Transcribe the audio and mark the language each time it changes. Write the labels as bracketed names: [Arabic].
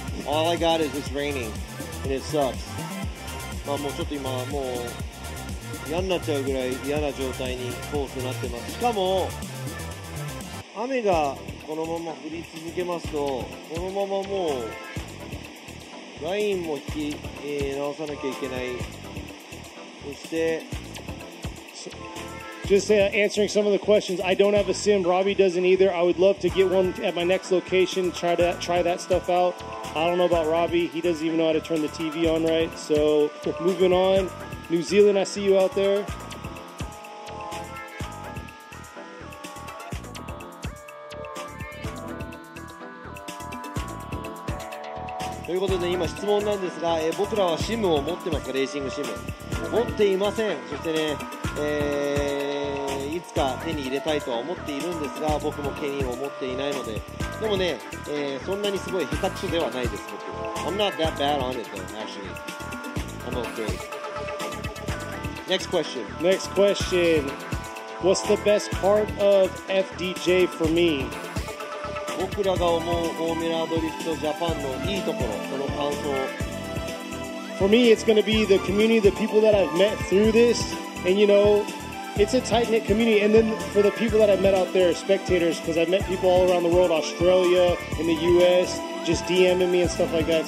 [English] All I got is it's raining and it sucks. [Japanese] まあもうちょっと今もう嫌になっちゃうぐらい嫌な状態にコースになってます。しかも雨がこのまま降り続けますと、このままもうラインも引き、直さなきゃいけない。そして [English] Just answering some of the questions. I don't have a sim. Robbie doesn't either. I would love to get one at my next location, try that stuff out. I don't know about Robbie. He doesn't even know how to turn the TV on right. So moving on. New Zealand, I see you out there. [Japanese] ということで今質問なんですが、僕らはシムを持ってますか？レーシングシム。持っていません。そしてね、いつか手に入れたいとは思っているんですが、僕もケニーを持っていないので、でもね、そんなにすごい下手くそではないです。僕 [English] I'm not that bad on it though, actually. I'm okay. Next question. Next question. What's the best part of FDJ for me? [Japanese] 僕らが思うフォーミュラードリフトジャパンのいいところ、その感想。 [English] For me, it's going to be the community, the people that I've met through this, and you know,It's a tight-knit community, and then for the people that I met out there, spectators, because I've met people all around the world, Australia, in the US, just DMing me and stuff like that.